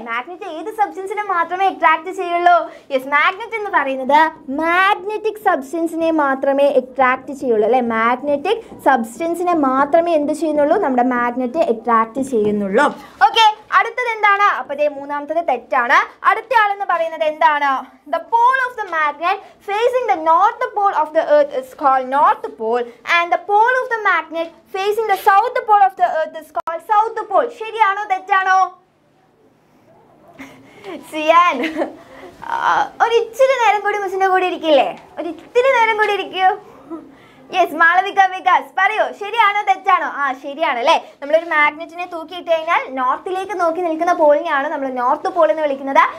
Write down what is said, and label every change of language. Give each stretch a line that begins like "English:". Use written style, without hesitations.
Malayalam: Magnet ഏത് സബ്സ്റ്റൻസിനെ മാത്രമേ attract ചെയ്യുള്ളൂ. യെസ്, മാഗ്നറ്റ് എന്ന് പറയുന്നത് മാഗ്നറ്റിക് സബ്സ്റ്റൻസിനെ മാത്രമേ അട്രാക്ട് ചെയ്യുള്ളൂ അല്ലേ. മാഗ്നറ്റിക് സബ്സ്റ്റൻസിനെ മാത്രമേ എന്ത് ചെയ്യുന്നുള്ളൂ, നമ്മുടെ മാഗ്നറ്റ് അട്രാക്ട് ചെയ്യുന്നുള്ളൂ. ഓക്കെ, അടുത്തത് എന്താണ്? അപ്പൊ ഇതേ മൂന്നാമത്തത് തെറ്റാണ്. അടുത്ത ആളെന്ന് പറയുന്നത് എന്താണ്?
English: The pole of the magnet facing the north pole of the earth is called north pole, and the pole of the magnet facing the south pole of the earth is called south pole.
Malayalam: Shariyano, thetchano? Siyan, ഒരു ഇച്ചിരി നേരം കൂടി മിസ്സിന്റെ കൂടെ ഇരിക്കില്ലേ? ഒരു ഇത്തിരി നേരം കൂടി ഇരിക്കൂ. യെസ്, മാളവിക വികാസ്, പറയൂ, ശരിയാണോ തെറ്റാണോ? ആ ശരിയാണ് അല്ലേ. നമ്മളൊരു മാഗ്നറ്റിനെ തൂക്കിയിട്ട് കഴിഞ്ഞാൽ നോർത്തിലേക്ക് നോക്കി നിൽക്കുന്ന പോളിനെയാണ് നമ്മൾ നോർത്ത് പോൾ എന്ന് വിളിക്കുന്നത്.